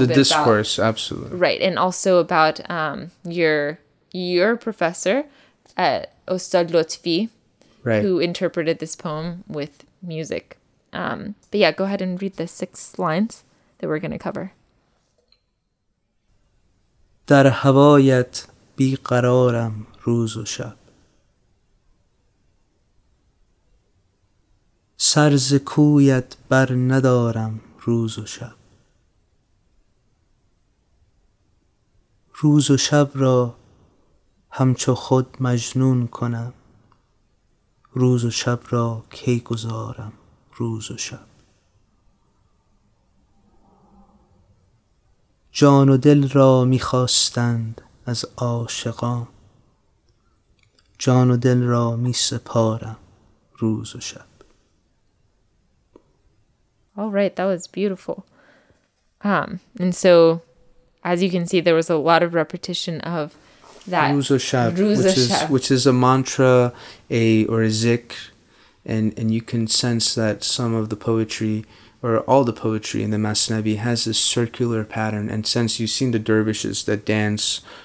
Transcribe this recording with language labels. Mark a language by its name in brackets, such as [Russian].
[English] bit about... The discourse, absolutely. Right, and also about your professor, Ostad Lotfi, right, who interpreted this poem with music. But yeah, go ahead and read the six lines that we're going to cover. [Persian] در هوایت بیقرارم روز و شب سر ز کویت بر ندارم روز و شب روز و شب را همچو خود مجنون کنم روز و شب را کی گذارم روز و شب جان و دل را میخواستند از عاشقان جان و دل را می سپارم روز و شب. [English] All right, that was beautiful. And so, as you can see, there was a lot of repetition of that. Ruz-o Shab, which is a mantra or a zikr. And you can sense that some of the poetry, or all the poetry in the Masnavi, has this circular pattern. And since you've seen the dervishes that dance